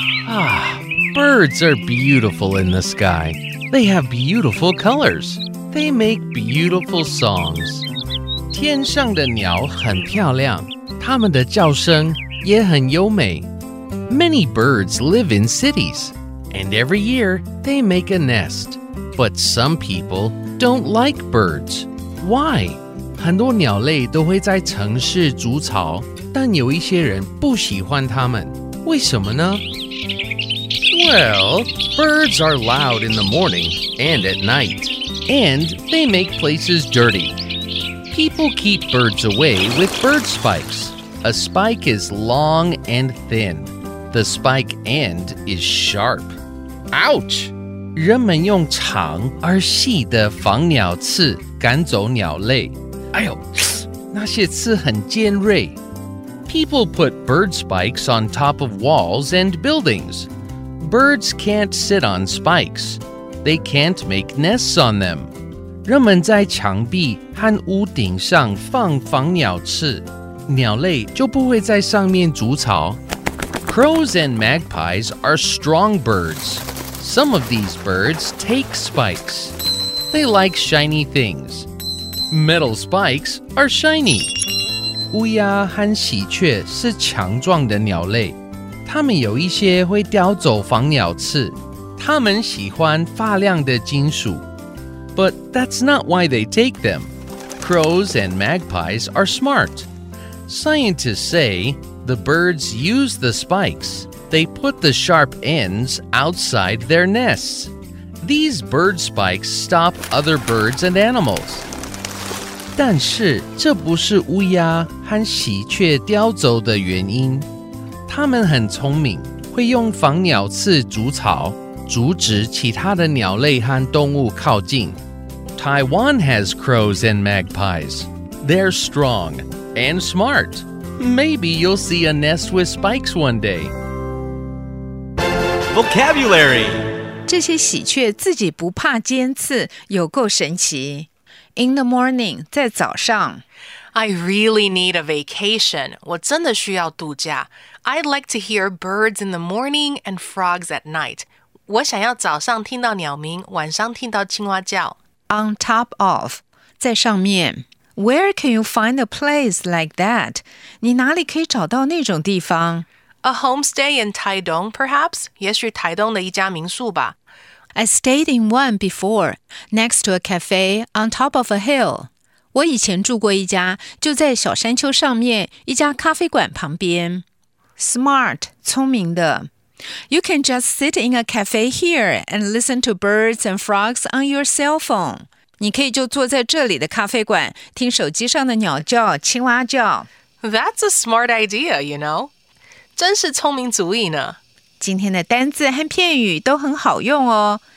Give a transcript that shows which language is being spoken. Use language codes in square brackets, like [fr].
[en] Ah, birds are beautiful in the sky. They have beautiful colors. They make beautiful songs. [zh] 天上的鸟很漂亮，它们的叫声也很优美。 [en] Many birds live in cities, and every year they make a nest. But some people don't like birds. Why? [zh] 很多鸟类都会在城市筑巢，但有一些人不喜欢它们。为什么呢？ [en] Well, birds are loud in the morning and at night, and they make places dirty. People keep birds away with bird spikes. A spike is long and thin. The spike end is sharp. Ouch! [zh] 人们用长而细的防鸟刺赶走鸟类。哎呦，那些刺很尖锐。 [en] People put bird spikes on top of walls and buildings. Birds can't sit on spikes. They can't make nests on them. [zh] 人们在墙壁和屋顶上放防鸟刺，鸟类就不会在上面筑巢。 [en] Crows and magpies are strong birds. Some of these birds take spikes. They like shiny things. Metal spikes are shiny. [zh] 乌鸦和喜鹊是强壮的鸟类，它们有一些会叼走防鸟刺，它们喜欢发亮的金属。 [en] But that's not why they take them. Crows and magpies are smart. Scientists say the birds use the spikes. They put the sharp ends outside their nests. These bird spikes stop other birds and animals. [zh] 但是这不是乌鸦和喜鹊叼走的原因。它们很聪明，会用防鸟刺筑巢，阻止其他的鸟类和动物靠近。 [en] Taiwan has crows and magpies. They're strong and smart. Maybe you'll see a nest with spikes one day. Vocabulary. [zh] 这些喜鹊自己不怕尖刺，有够神奇。 [en] In the morning, [zh] 在早上。 [en] I really need a vacation. [zh] 我真的需要度假。 [en] I'd like to hear birds in the morning and frogs at night. [zh] 我想要早上听到鸟鸣，晚上听到青蛙叫。 [en] On top of, [zh] 在上面。 [en] Where can you find a place like that? [zh] 你哪里可以找到那种地方？ [en] A homestay in Taitung, perhaps? [zh] 也许台东的一家民宿吧。 [en] I stayed in one before, next to a cafe on top of a hill. [zh] 我以前住过一家，就在小山丘上面，一家咖啡馆旁边。 [en] Smart, [zh] 聪明的。 [en] You can just sit in a cafe here and listen to birds and frogs on your cell phone. [zh] 你可以就坐在这里的咖啡馆，听手机上的鸟叫，青蛙叫。 [en] That's a smart idea, you know. [zh] 真是聪明主意呢。今天的单字和片语都很好用哦。